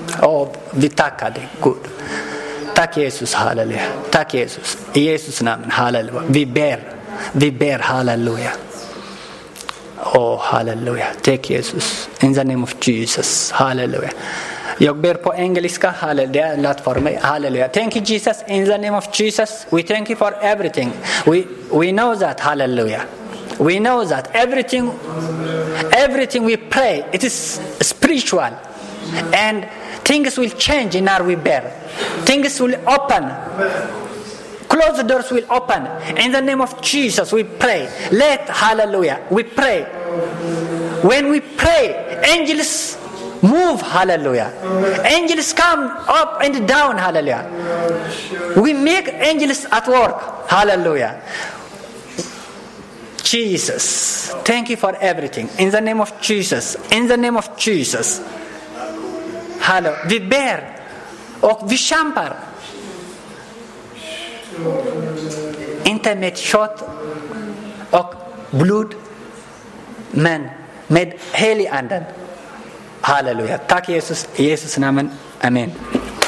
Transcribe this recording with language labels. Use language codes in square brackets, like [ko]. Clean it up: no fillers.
[sv] Och vi tackar dig, Gud. Tack Jesus, halleluja. Tack Jesus, i Jesus namn, halleluja. Vi ber, halleluja. Oh, halleluja. Tack Jesus, [en] in the name of Jesus, [sv] halleluja. Jag ber på engelska, halleluja. Det är lätt för mig, halleluja. [en] Thank you Jesus, in the name of Jesus. We thank you for everything. We know that, halleluja. We know that everything we pray, it is spiritual. And things will change in our we bear. Things will open. Closed doors will open. In the name of Jesus, we pray. Let, hallelujah, we pray. When we pray, angels move, hallelujah. Angels come up and down, hallelujah. We make angels at work, hallelujah. Jesus, thank you for everything. In the name of Jesus, in the name of Jesus. [sv] Hallå, vi ber och vi kämpar. Inte med kött och blod, men med helig anden. Halleluja. Tack Jesus, i Jesus namn. Amen.